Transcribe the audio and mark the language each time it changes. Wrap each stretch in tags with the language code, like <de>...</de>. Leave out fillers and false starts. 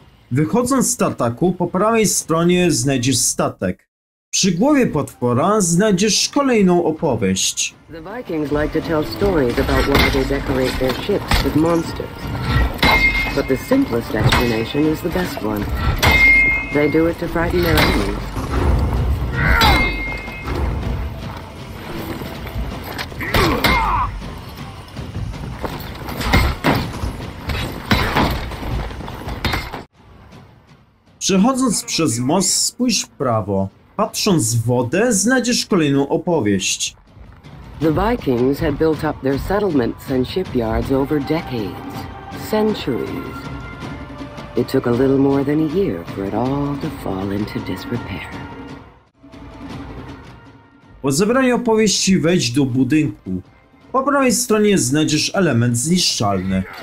<pl>Wychodząc z tataku, po prawej stronie znajdziesz statek. Przy głowie potwora znajdziesz kolejną opowieść.</pl> <en>The Vikings like to tell stories about why they decorate their ships with monsters. But the simplest explanation is the best one. They do it to frighten their enemies.</en> <pl>Przechodząc przez most, spójrz w prawo. Patrząc w wodę, znajdziesz kolejną opowieść.</pl> <en>The Vikings had built up their settlements and shipyards over decades, centuries. It took a little more than a year for it all to fall into disrepair.</en> <pl>Po zebraniu opowieści wejdź do budynku. Po prawej stronie znajdziesz element zniszczalny.</pl>